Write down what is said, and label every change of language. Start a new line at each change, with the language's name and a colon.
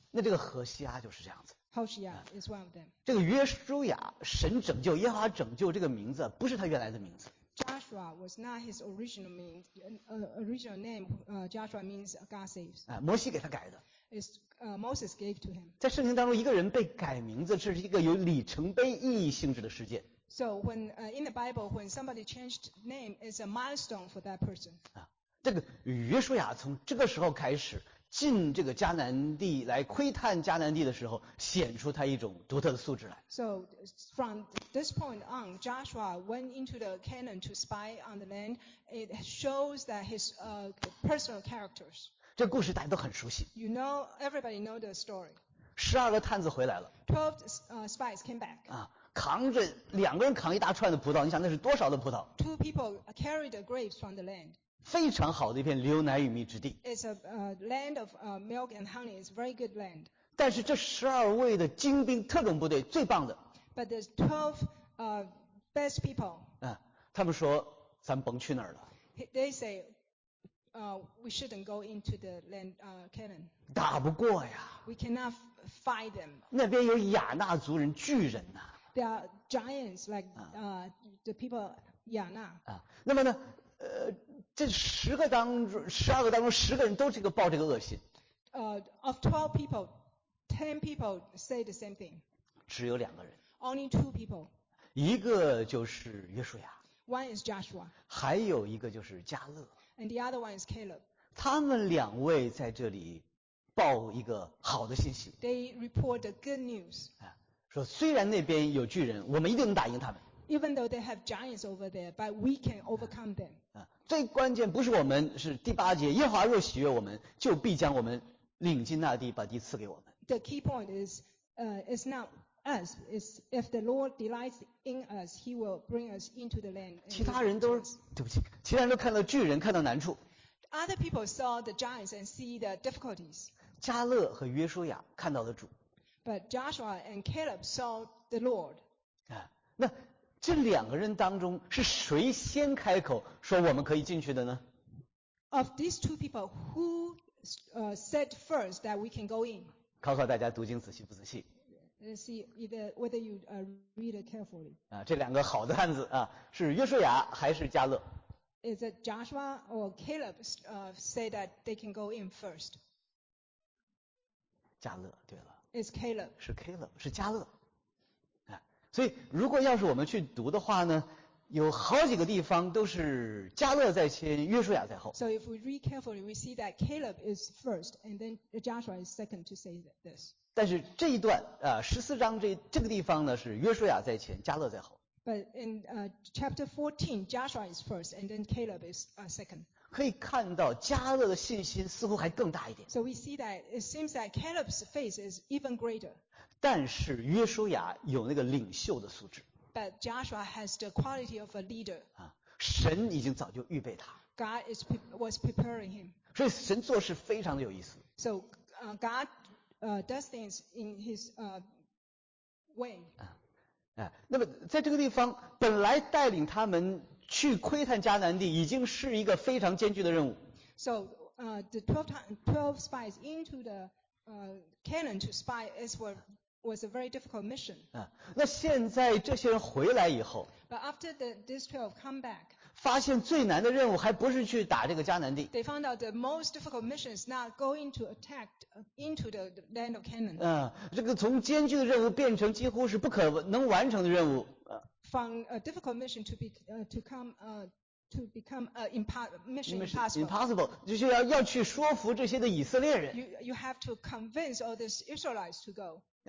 Chinese: 那这个何西阿就是这样子。
English: Hoshea is one of them.
Chinese: 这个约书亚，神拯救，耶和华拯救，这个名字不是他原来的名字。
English: Joshua was not his original name. Original name, Joshua means God saves.
Chinese: 啊，摩西给他改的。
English: Is Moses gave to him.
Chinese: 在圣经当中，一个人被改名字，这是一个有里程碑意义性质的事件。
English: So when in the Bible, when somebody changed name, it's a milestone for that person.
Chinese: 啊，这个约书亚从这个时候开始。进这个迦南地来窥探迦南地的时候，显出他一种独特的素质来。
English: So from this point on, Joshua went into the Canaan to spy on the land. It shows that his personal characters.
Chinese: 这故事大家都很熟悉。
English: You know, everybody know the story.
Chinese: 十二个探子回来了。
English: 12 spies came back.
Chinese: 啊，扛着两个人扛一大串的葡萄，你想那是多少的葡萄
English: ？Two people carried the grapes from the land.
Chinese: 非常好的一片牛奶与蜜之地。
English: It's a land of milk and honey. It's very good land.
Chinese: 但是这十二位的精兵特种部队最棒的。
English: But there's 12 best people.
Chinese: 啊，他们说咱甭去那儿了。
English: They say, we shouldn't go into the land, Canaan.
Chinese: 打不过呀。
English: We cannot fight them.
Chinese: 那边有亚纳族人巨人呐。
English: There are giants like the people 亚纳。
Chinese: 啊，那么呢？这十个当中，十二个当中，十个人都这个抱这个恶心。
English: Of 12 people, 10 people say the same thing.
Chinese: 只有两个人。
English: Only two people.
Chinese: 一个就是约书亚。
English: One is Joshua.
Chinese: 还有一个就是加勒。
English: And the other one is Caleb.
Chinese: 他们两位在这里报一个好的信息。
English: They report the good news.
Chinese: 说虽然那边有巨人，我们一定能打赢他们。
English: Even though they have giants over there, but we can overcome them.
Chinese: 最关键不是我们，是第八节，耶和华若喜悦我们，就必将我们领进那地，把地赐给我们。
English: The key point is, it's not us. It's if the Lord delights in us, He will bring us into the land.
Chinese: 其他人都对不起，其他人都看到巨人，看到难处。
English: Other people saw the giants and see the difficulties.
Chinese: 加勒和约书亚看到了主。
English: But Joshua and Caleb saw the Lord.
Chinese: 那。这两个人当中是谁先开口说我们可以进去的呢
English: ？Of these two people, who said first that we can go in?
Chinese: 考考大家读经仔细不仔细
English: ？See either whether you read it carefully.
Chinese: 啊，这两个好的汉子啊，是约书亚还是加勒
English: ？Is it Joshua or Caleb say that they can go in first?
Chinese: 加勒，对了。
English: Is Caleb?
Chinese: 是 Caleb， 是加勒。所以如果要是我们去读的话呢，有好几个地方都是加勒在先，约书亚在后。
English: So if we read carefully, we see that Caleb is first, and then Joshua is second to say this.
Chinese: 但是这一段14章这个地方呢是约书亚在前，加勒在后。
English: But in chapter 14, Joshua is first, and then Caleb is second.
Chinese: 可以看到加勒的信心似乎还更大一点。
English: So we see that it seems that Caleb's faith is even greater.
Chinese: 但是约书亚有那个领袖的素质。
English: But Joshua has the quality of a leader.
Chinese: 啊，神已经早就预备他。
English: God was preparing him.
Chinese: 所以神做事非常的有意思。
English: So God does things in his way.
Chinese: 啊，那么在这个地方，本来带领他们去窥探迦南地，已经是一个非常艰巨的任务。
English: So the 12 spies into the Canaan to spy Israel was a very difficult mission.
Chinese: 那现在这些人回来以后
English: ，But after these 12 come back，
Chinese: 发现最难的任务还不是去打这个迦南地。
English: They found out the most difficult mission is not going to attack into the land of Canaan.
Chinese: 这个从艰巨的任务变成几乎是不可能完成的任务。
English: From a difficult mission to become an impossible.
Chinese: 就是要去说服这些的以色列人。
English: You have to convince all these Israelites to go.